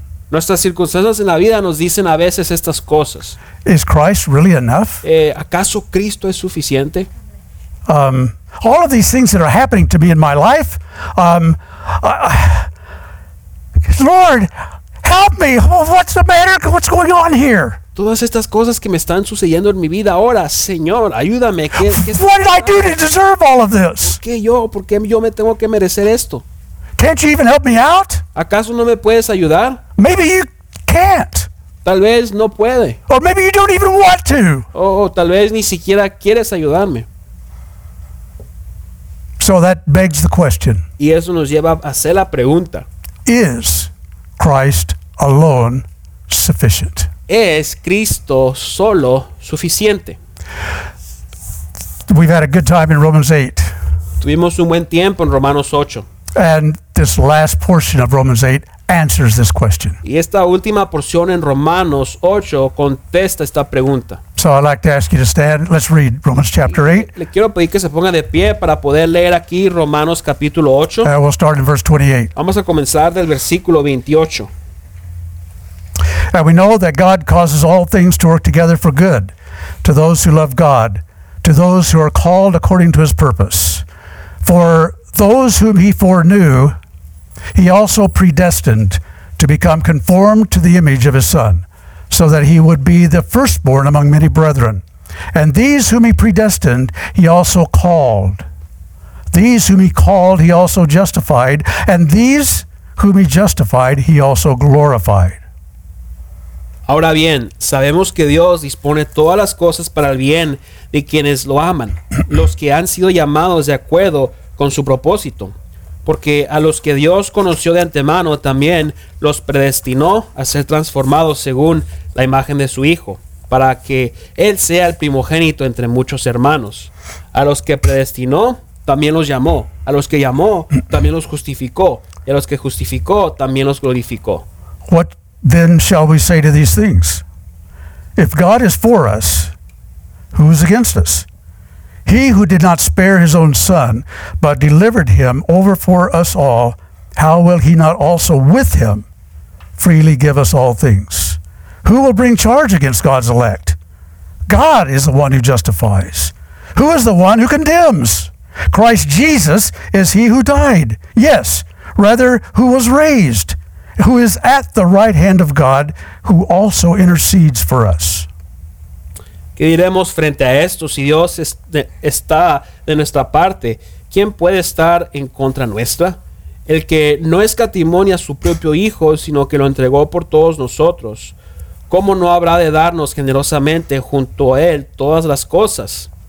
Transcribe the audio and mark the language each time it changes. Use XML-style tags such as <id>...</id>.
<es>nuestras circunstancias en la vida nos dicen a veces estas cosas.</es> <en>Is Christ really enough?</en> <es>¿Acaso Cristo es suficiente?</es> <en>All of these things that are happening to me in my life, Lord, help me. What's the matter? What's going on here?</en> <es>Todas estas cosas que me están sucediendo en mi vida ahora, Señor, ayúdame.</es> <en>What did I do to deserve all of this?</en> <es>¿Por qué yo me tengo que merecer esto?</es> <en>Can't you even help me out?</en> <es>¿Acaso no me puedes ayudar?</es> <en>Maybe you can't.</en> <es>Tal vez no puede.</es> <en>Or maybe you don't even want to.</en> <es>O tal vez ni siquiera quieres ayudarme.</es> <en>So that begs the question.</en> <es>Y eso nos lleva a hacer la pregunta.</es> <en>Is Christ alone sufficient?</en> <es>¿Es Cristo solo suficiente?</es> <en>We've had a good time in Romans 8.</en> <es>Tuvimos un buen tiempo en Romanos 8.</es> <en>And this last portion of Romans 8 answers this question.</en> <es>Y esta última porción en Romanos 8 contesta esta pregunta.</es> <en>So I'd like to ask you to stand. Let's read Romans chapter 8.</en> <es>Le quiero pedir que se ponga de pie para poder leer aquí Romanos capítulo 8.</es> <en>We'll start in verse 28.</en> <es>Vamos a comenzar del versículo 28.</es> <en>And we know that God causes all things to work together for good to those who love God, to those who are called according to his purpose. For those whom he foreknew, he also predestined to become conformed to the image of his Son, so that he would be the firstborn among many brethren. And these whom he predestined, he also called. These whom he called, he also justified. And these whom he justified, he also glorified.</en> <es>Ahora bien, sabemos que Dios dispone todas las cosas para el bien de quienes lo aman, los que han sido llamados de acuerdo con su propósito. Porque a los que Dios conoció de antemano también los predestinó a ser transformados según la imagen de su Hijo, para que Él sea el primogénito entre muchos hermanos. A los que predestinó, también los llamó. A los que llamó, también los justificó. Y a los que justificó, también los glorificó.</es> <en>What then shall we say to these things? If God is for us, who is against us? He who did not spare his own son, but delivered him over for us all, how will he not also with him freely give us all things? Who will bring charge against God's elect? God is the one who justifies. Who is the one who condemns? Christ Jesus is he who died. Yes, rather, who was raised, who is at the right hand of God, who also intercedes for us.</en> <es>¿Qué diremos frente a esto? Si Dios está de nuestra parte, ¿quién puede estar en contra nuestra? El que no escatimó a su propio Hijo, sino que lo entregó por todos nosotros. ¿Cómo no habrá de darnos generosamente junto a Él todas las cosas?</es>